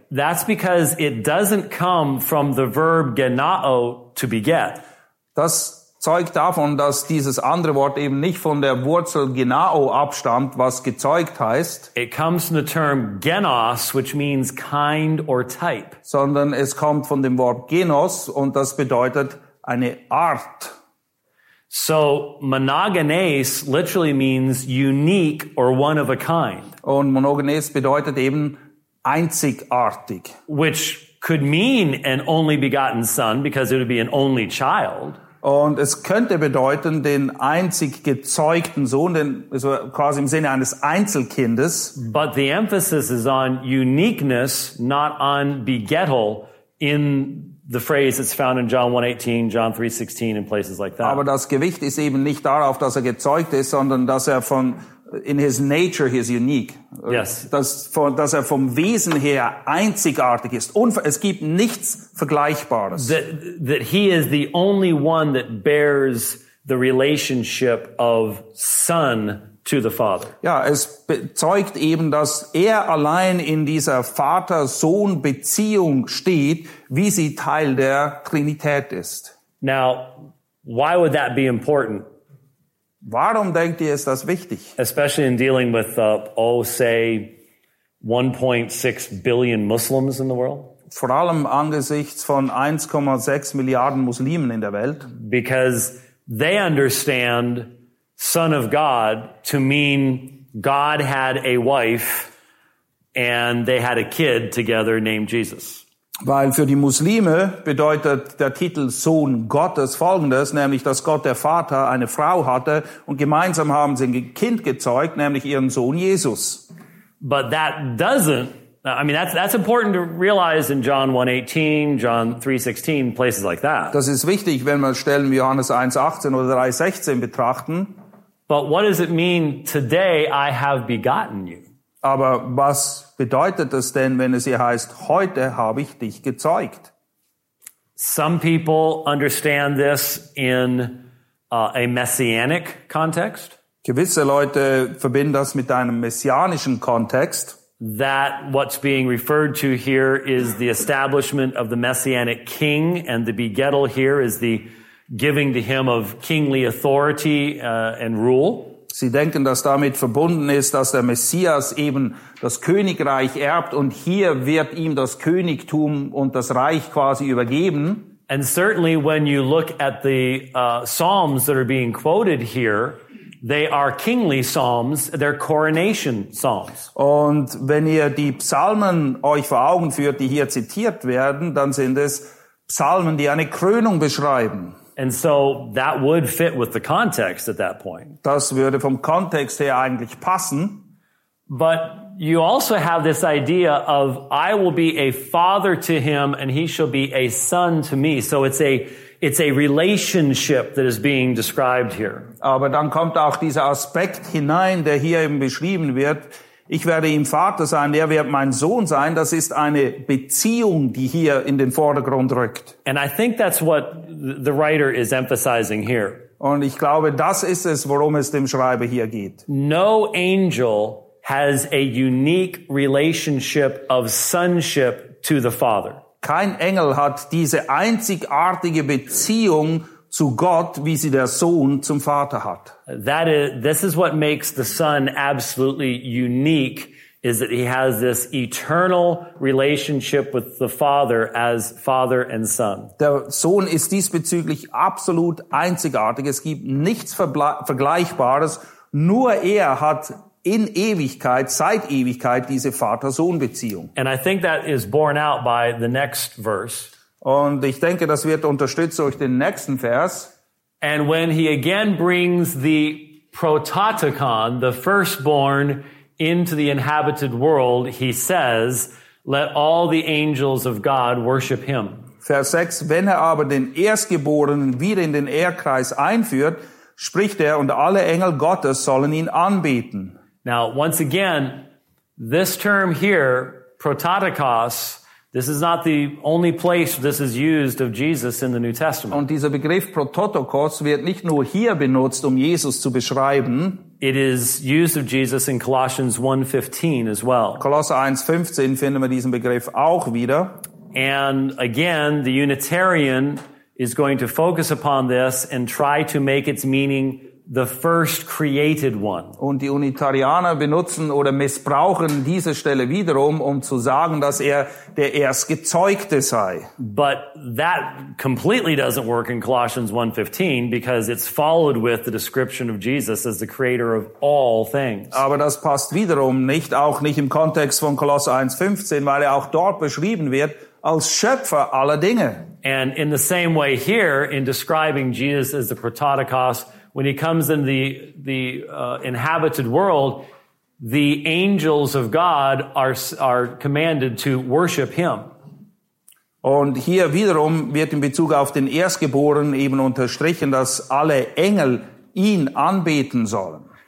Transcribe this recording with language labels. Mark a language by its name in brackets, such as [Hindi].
[English] That's because it doesn't come from the verb genao, to beget. [German] Das zeugt davon, dass dieses andere Wort eben nicht von der Wurzel genao abstammt, was gezeugt heißt. [English] It comes from the term genos, which means kind or type. [German] Sondern es kommt von dem Wort genos und das bedeutet eine Art. [English] So monogenes literally means unique or one of a kind. [German] Und monogenes bedeutet eben einzigartig. [English] Which could mean an only begotten son because it would be an only child. [German] Und es könnte bedeuten den einzig gezeugten Sohn, den also quasi im Sinne eines Einzelkindes. [English] But the emphasis is on uniqueness, not on begettal in the phrase that's found in John 1:18, John 3:16 and places like that. [German] Aber das Gewicht ist eben nicht darauf, dass er gezeugt ist, sondern dass er von [English] in his nature he is unique. Yes. [German] Dass er vom Wesen her einzigartig ist. Es gibt nichts Vergleichbares. [English] That he is the only one that bears the relationship of son to the father. [German] Ja, es bezeugt eben, dass er allein in dieser Vater-Sohn-Beziehung steht, wie sie Teil der Trinität ist. [English] Now, why would that be important? [German] Warum denkt ihr, ist das wichtig? [English] Especially in dealing with, say, 1.6 billion Muslims in the world. [German] Vor allem angesichts von 1,6 Milliarden Muslimen in der Welt. [English] Because they understand Son of God to mean God had a wife and they had a kid together named Jesus. [German] Weil für die Muslime bedeutet der Titel Sohn Gottes folgendes, nämlich dass Gott der Vater eine Frau hatte und gemeinsam haben sie ein Kind gezeugt, nämlich ihren Sohn Jesus. [English] But that doesn't, I mean, that's important to realize in John 1:18, John 3:16, places like that. [German] Das ist wichtig, wenn wir Stellen wie Johannes 1:18 oder 3:16 betrachten. [English] But what does it mean today I have begotten you? [German] Aber was bedeutet es denn, wenn es hier heißt, heute habe ich dich gezeugt? [English] Some people understand this in a messianic context. [German] Gewisse Leute verbinden das mit einem messianischen Kontext. [English] That what's being referred to here is the establishment of the messianic king and the begettal here is the giving to him of kingly authority and rule. [German] Sie denken, dass damit verbunden ist, dass der Messias eben das Königreich erbt und hier wird ihm das Königtum und das Reich quasi übergeben. [English] And certainly when you look at the psalms that are being quoted here, they are kingly psalms, they're coronation psalms. [German] Und wenn ihr die Psalmen euch vor Augen führt, die hier zitiert werden, dann sind es Psalmen, die eine Krönung beschreiben. [English] And so that would fit with the context at that point. [German] Das würde vom Kontext her eigentlich passen. [English] But you also have this idea of I will be a father to him and he shall be a son to me. So it's a relationship that is being described here. [German] Aber dann kommt auch dieser Aspekt hinein, der hier eben beschrieben wird. Ich werde ihm Vater sein, er wird mein Sohn sein. Das ist eine Beziehung, die hier in den Vordergrund rückt. [English] And I think that's what the writer is emphasizing here. [German] Und ich glaube, das ist es, worum es dem Schreiber hier geht. [English] No angel has a unique relationship of sonship to the Father. [German] Kein Engel hat diese einzigartige Beziehung zu Gott, wie sie der Sohn zum Vater hat. [English] This is what makes the Son absolutely unique, is that he has this eternal relationship with the Father as Father and Son. [German] Der Sohn ist diesbezüglich absolut einzigartig. Es gibt nichts Vergleichbares. Nur er hat in Ewigkeit, seit Ewigkeit, diese Vater-Sohn-Beziehung. [English] And I think that is borne out by the next verse. [German] Und ich denke, das wird unterstützt durch den nächsten Vers. [English] And when he again brings the prototokon, the firstborn, into the inhabited world, he says, let all the angels of God worship him. [German] Vers 6, wenn er aber den Erstgeborenen wieder in den Erdkreis einführt, spricht er, und alle Engel Gottes sollen ihn anbeten. [English] Now, once again, this term here, prototokos, this is not the only place this is used of Jesus in the New Testament. [German] Und dieser Begriff Prototokos wird nicht nur hier benutzt, um Jesus zu beschreiben. [English] It is used of Jesus in Colossians 1:15 as well. [German] Kolosser 1:15 finden wir diesen Begriff auch wieder. [English] And again, the Unitarian is going to focus upon this and try to make its meaning the first created one. [German] Und die Unitarianer benutzen oder missbrauchen diese Stelle wiederum, um zu sagen, dass er der Erstgezeugte sei. [English] But that completely doesn't work in Colossians 1:15 because it's followed with the description of Jesus as the creator of all things. [German] Aber das passt wiederum nicht, auch nicht im Kontext von Kolosser 1:15, weil er auch dort beschrieben wird als Schöpfer aller Dinge. [English] And in the same way here, in describing Jesus as the Prototokos, when he comes in the inhabited world, the angels of God are commanded to worship him. [German] Und hier wiederum wird in Bezug auf den Erstgeborenen eben unterstrichen, dass alle Engel ihn anbeten sollen.